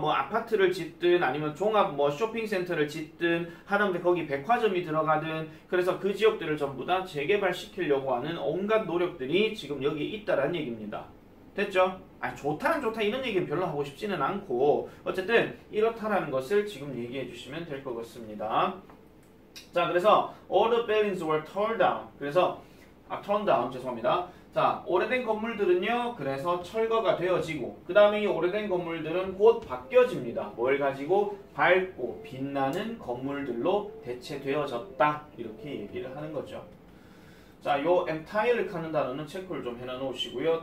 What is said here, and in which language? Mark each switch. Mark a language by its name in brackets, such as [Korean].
[Korean] 뭐 아파트를 짓든 아니면 종합 뭐 쇼핑센터를 짓든 하다못해 거기 백화점이 들어가든, 그래서 그 지역들을 전부 다 재개발시키려고 하는 온갖 노력들이 지금 여기에 있다라는 얘기입니다. 됐죠? 아, 좋다는 좋다 이런 얘기는 별로 하고 싶지는 않고 어쨌든 이렇다라는 것을 지금 얘기해 주시면 될 것 같습니다. 자, 그래서 [English] all the buildings were torn down. [Korean] 그래서 아, torn down 죄송합니다. 자, 오래된 건물들은요, 그래서 철거가 되어지고, 그 다음에 이 오래된 건물들은 곧 바뀌어집니다. 뭘 가지고? 밝고 빛나는 건물들로 대체되어졌다 이렇게 얘기를 하는 거죠. 자, 요 entire를 하는 단어는 체크를 좀 해놔놓으시고요.